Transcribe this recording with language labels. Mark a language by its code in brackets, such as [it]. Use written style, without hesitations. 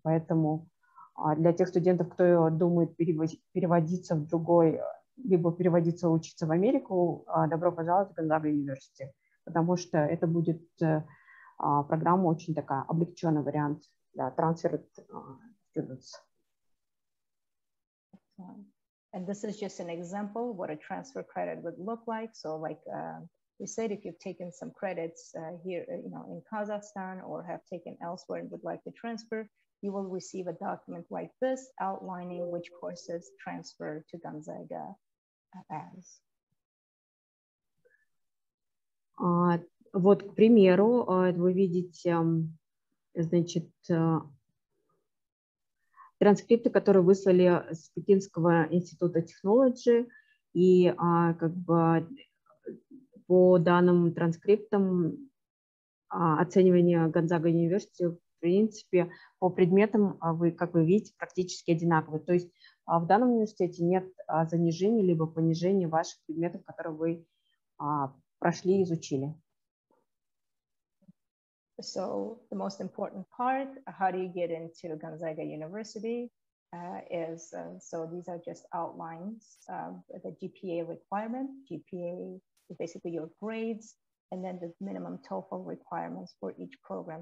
[ru] Поэтому для тех студентов, кто думает переводиться в другой, либо переводиться учиться в Америку, добро пожаловать в Gonzaga University, потому что это будет программа очень такая, облегченный вариант для трансфера students. [en] And this is just an example of what a transfer credit would look like. So like we said, if you've taken some credits here, you know, in Kazakhstan or have taken elsewhere and would like to transfer, you will receive a document like this outlining which courses transfer to Gonzaga as. [ru] Вот, к примеру, вы видите, значит, транскрипты, которые выслали с Пекинского института технологии, и как бы по данным транскриптам оценивания Gonzaga University, в принципе, по предметам вы, как вы видите, практически одинаковые. То есть в данном университете нет занижения либо понижения ваших предметов, которые вы прошли и изучили. [en] So the most important part, how do you get into Gonzaga University, is, so these are just outlines of the GPA requirement. GPA is basically your grades, and then the minimum TOEFL requirements for each program.